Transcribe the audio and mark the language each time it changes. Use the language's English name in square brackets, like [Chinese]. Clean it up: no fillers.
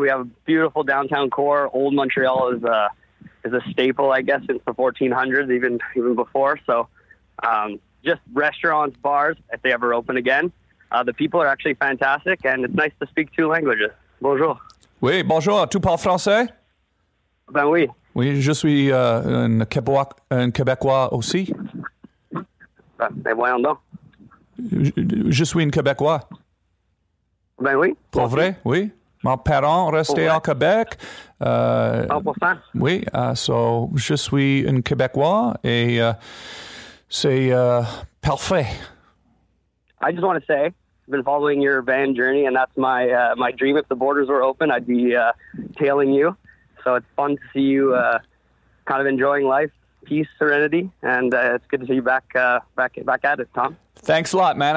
[English] We have a beautiful downtown core. Old Montreal is a staple, I guess, since the 1400s, even before. So just restaurants, bars, if they ever open again. The people are actually fantastic, and it's nice to speak two languages. [French] Bonjour. Oui, bonjour. Tu parles français? Ben oui. Oui, je suis un Québécois aussi. Ben voyons donc. Je suis un Québécois. Ben oui. Pour vrai, oui. Mes parents restaient au Québec. Pour ça? Oui, so je suis un Québécois et c'est parfait. [English] I just want to say, I've been following your van journey, and that's my my dream. If the borders were open, I'd be tailing you. So it's fun to see you kind of enjoying life, peace, serenity, and it's good to see you back at it, Tom. Thanks a lot, man.